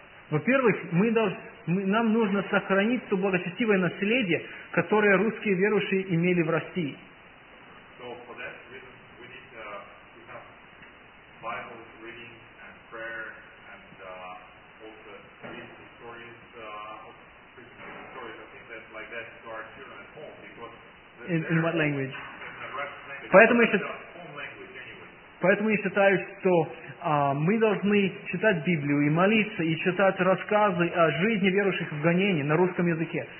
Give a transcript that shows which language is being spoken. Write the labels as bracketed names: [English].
[Russian] Во-первых, нам нужно сохранить то благочестивое наследие, которое русские верующие имели в России. [English] So for that reason, we need to have Bible reading and prayer and also read the stories of Christian stories. I think that like that to our children at home, because in what language? [Russian] Поэтому я считаю, что мы должны читать Библию и молиться, и читать рассказы о жизни верующих в гонении на русском языке.